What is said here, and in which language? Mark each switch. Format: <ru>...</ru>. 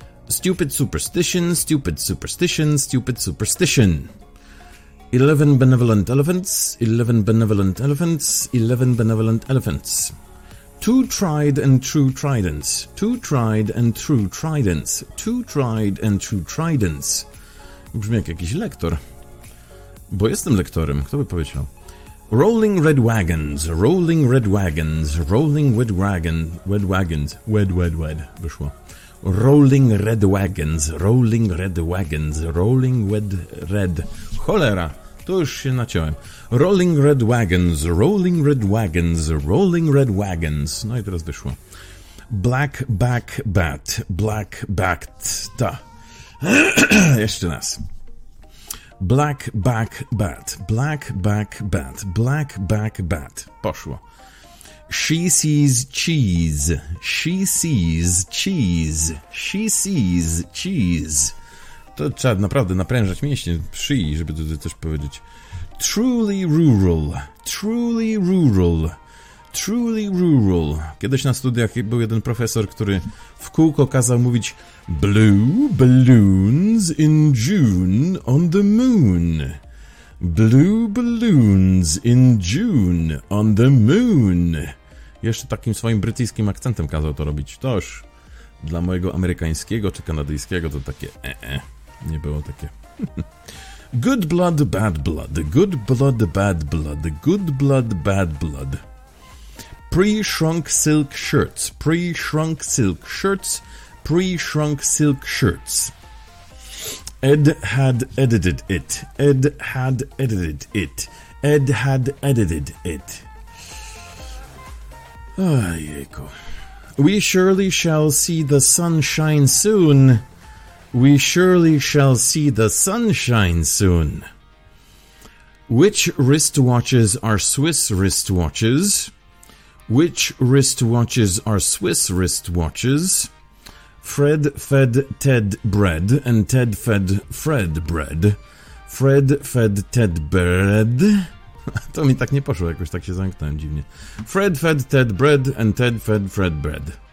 <en>Stupid superstition, stupid superstition, stupid superstition. 11 benevolent elephants, 11 benevolent elephants, 11 benevolent elephants. 2 tried and true tridents, 2 tried and true tridents, 2 tried and true tridents.</en> <pl>Brzmi jak jakiś lektor. Bo jestem lektorem, kto by powiedział?</pl> <en>Rolling red wagons, rolling red wagons, rolling red wagon, red wagons, wed,</en> <pl>wyszło.</pl> <en>Rolling red wagons, rolling red wagons, rolling wed, red.</en> <pl>Cholera, to już się naciąłem.</pl> <en>Rolling red wagons, rolling red wagons, rolling red wagons.</en> <pl>No i teraz wyszło.</pl> <en>Black back bat, black backed ta.</en> <pl>Jeszcze raz.</pl> <en>Black back bat, black back bat, black back bat.</en> <pl>Poszło.</pl> <en>She sees cheese, she sees cheese, she sees cheese.</en> <pl>To trzeba naprawdę naprężać mięśnie przy, żeby tutaj coś powiedzieć.</pl> <en>Truly rural, truly rural, truly rural.</en> <pl>Kiedyś na studiach był jeden profesor, który w kółko kazał mówić</pl> <en>blue balloons in June on the moon. Blue balloons in June on the moon.</en> <pl>Jeszcze takim swoim brytyjskim akcentem kazał to robić. Toż dla mojego amerykańskiego czy kanadyjskiego to takie nie było takie.</pl> <en>Good blood, bad blood. Good blood, bad blood. Good blood, bad blood. Pre-shrunk silk shirts. Pre-shrunk silk shirts. Pre-shrunk silk shirts. Ed had edited it. Ed had edited it. Ed had edited it.</en> <pl>Ojejku.</pl> <en>We surely shall see the sunshine soon. We surely shall see the sunshine soon. Which wristwatches are Swiss wristwatches? Which wristwatches are Swiss wristwatches? Fred fed Ted bread and Ted fed Fred bread. Fred fed Ted bread.</en> <pl>To mi tak nie poszło, jakoś tak się zamknąłem dziwnie.</pl> <en>Fred fed Ted bread and Ted fed Fred bread.</en>